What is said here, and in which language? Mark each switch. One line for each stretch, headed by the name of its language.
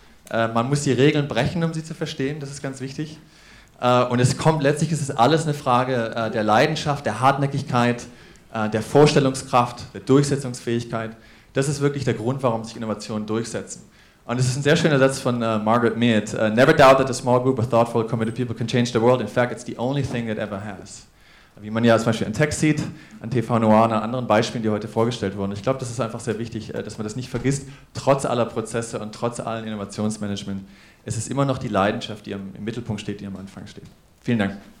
German: Man muss die Regeln brechen, um sie zu verstehen. Das ist ganz wichtig. Und es kommt letztlich, ist es alles eine Frage der Leidenschaft, der Hartnäckigkeit, der Vorstellungskraft, der Durchsetzungsfähigkeit. Das ist wirklich der Grund, warum sich Innovationen durchsetzen. Und es ist ein sehr schöner Satz von Margaret Mead.
English: Never doubt that a small group of thoughtful, committed people can change the world. In fact, it's the only thing that ever has.
German: Wie man ja zum Beispiel an Tech sieht, an TV Noir, an anderen Beispielen, die heute vorgestellt wurden. Ich glaube, das ist einfach sehr wichtig, dass man das nicht vergisst. Trotz aller Prozesse und trotz allen Innovationsmanagement, es ist immer noch die Leidenschaft, die im Mittelpunkt steht, die am Anfang steht. Vielen Dank.